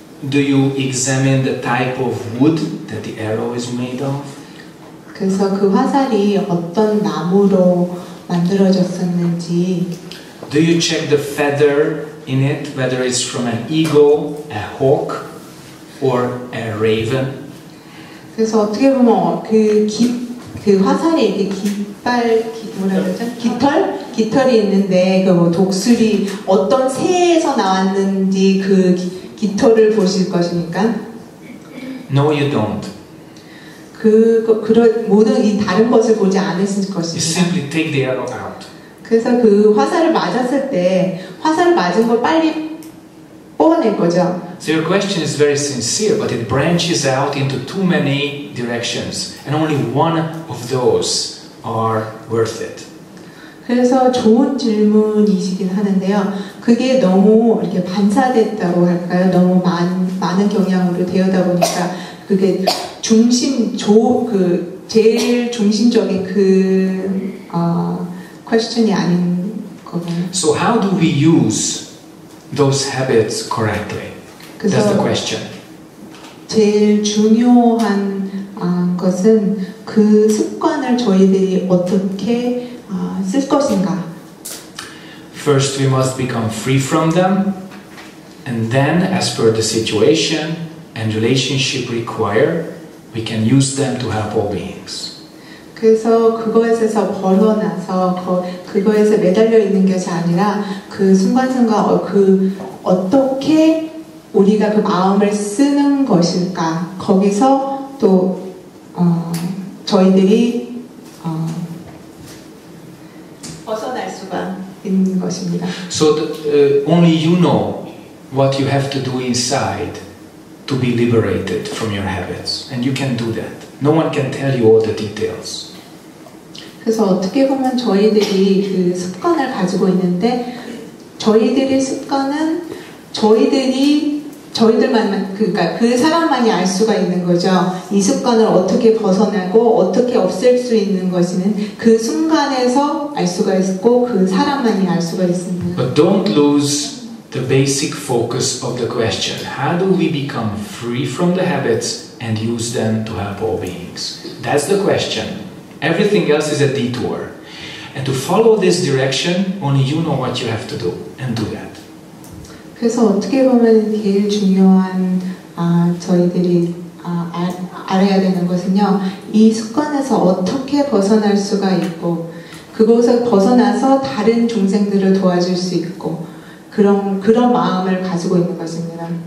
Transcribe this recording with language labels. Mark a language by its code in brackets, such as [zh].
[en] Do you examine the type of wood that the arrow is made of? [ko] 그래서 그 화살이 어떤 나무로 만들어졌었는지. [en] Do you check the feather in it, whether it's from an eagle, a hawk, or a raven? [ko] 그래서 어떻게 보면 그 화살에 이렇게 깃털이 있는데 그 뭐 독수리 어떤 새에서 나왔는지 그 깃털을 보실 것이니까. [en] No, you don't. [ko] 그런 모든 이 다른 것을 보지 않으실 것입니다. [en] You simply take the arrow out. [ko] 그래서 그 화살을 맞았을 때 화살을 맞은 걸 빨리 뽑아낼 거죠. [en] So your question is very sincere, but it branches out into too many directions, and only one of those are worth it. [ko] 그래서 좋은 질문이시긴 하는데요. 그게 너무 이렇게 반사됐다고 할까요? 너무 많은 경향으로 되어다 보니까 그게 중심 그 제일 중심적인 그 question이 아닌 거군요. [en] So how do we use those habits correctly? That's the question. [ko] 제일 중요한 것은 그 습관을 저희들이 어떻게 쓸 것인가. [en] First, we must become free from them, and then, as per the situation and relationship require, we can use them to help all beings. [ko] 그래서 그것에서 벗어나서 그것에 매달려 있는 것이 아니라 그 순간순간 그 어떻게 우리가 그 마음을 쓰는 것일까 거기서 또 저희들이 벗어날 수가 있는 것입니다. [en] So only you know what you have to do inside to be liberated from your habits, and you can do that. No one can tell you all the details. [ko] 그래서 어떻게 보면 저희들이 그 습관을 가지고 있는데 저희들의 습관은 저희들이 저희들만 그러니까 그 사람만이 알 수가 있는 거죠. 이 습관을 어떻게 벗어나고 어떻게 없앨 수 있는 것인지는 그 순간에서 알 수가 있고 그 사람만이 알 수가 있습니다. [en] But don't lose the basic focus of the question. How do we become free from the habits and use them to help all beings? That's the question. Everything else is a detour. And to follow this direction, only you know what you have to do and do that. [ko] 그래서 어떻게 보면 제일 중요한 저희들이 알아야 되는 것은요, 이 습관에서 어떻게 벗어날 수가 있고 그곳에서 벗어나서 다른 중생들을 도와줄 수 있고 그런 마음을 가지고 있는 것입니다.